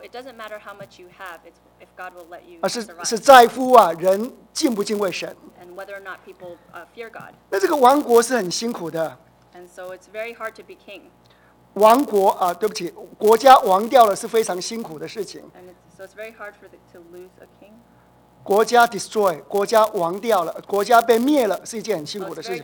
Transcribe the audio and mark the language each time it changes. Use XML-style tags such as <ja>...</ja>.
<en>it doesn't matter how much you have, it's if God will let you.</en> <zh>而是在乎啊，人敬不敬畏神。And</zh> <en>whether or not people fear God.</en> <zh>那这个王国是很辛苦的。</zh> <en>And so it's very hard to be king.</en> <zh>王国啊，对不起，国家亡掉了是非常辛苦的事情。</zh> <en>And so it's very hard for to lose a king.</en> <zh>国家 destroy， 国家亡掉了，国家被灭了，是一件很辛苦的事情。</zh>